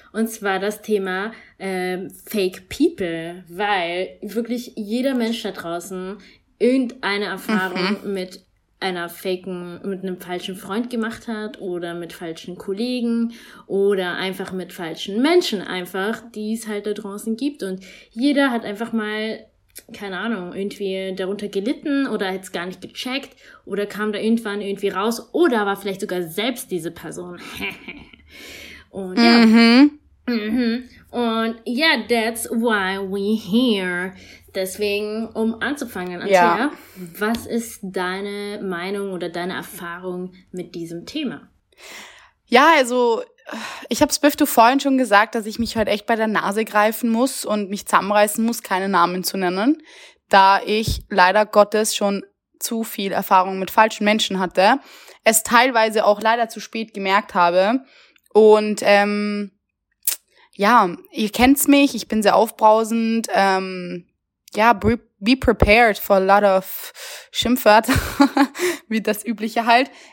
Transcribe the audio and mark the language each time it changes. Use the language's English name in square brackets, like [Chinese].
[German] Und zwar das Thema Fake People, weil wirklich jeder Mensch da draußen irgendeine Erfahrung mit einem falschen Freund gemacht hat oder mit falschen Kollegen oder einfach mit falschen Menschen einfach, die es halt da draußen gibt. Und jeder hat einfach mal, keine Ahnung, irgendwie darunter gelitten oder hat es gar nicht gecheckt oder kam da irgendwann irgendwie raus oder war vielleicht sogar selbst diese Person. Und ja. [English] Und ja, that's why we're here. [German] Deswegen, um anzufangen, Anthea, was ist deine Meinung oder deine Erfahrung mit diesem Thema? Ja, also ich habe es Büftu vorhin schon gesagt, dass ich mich heute echt bei der Nase greifen muss und mich zusammenreißen muss, keine Namen zu nennen, da ich leider Gottes schon zu viel Erfahrung mit falschen Menschen hatte, es teilweise auch leider zu spät gemerkt habe und ja, ihr kennt's mich, ich bin sehr aufbrausend, ja, [English] be prepared for a lot of [German] Schimpfwörter, wie das Übliche halt.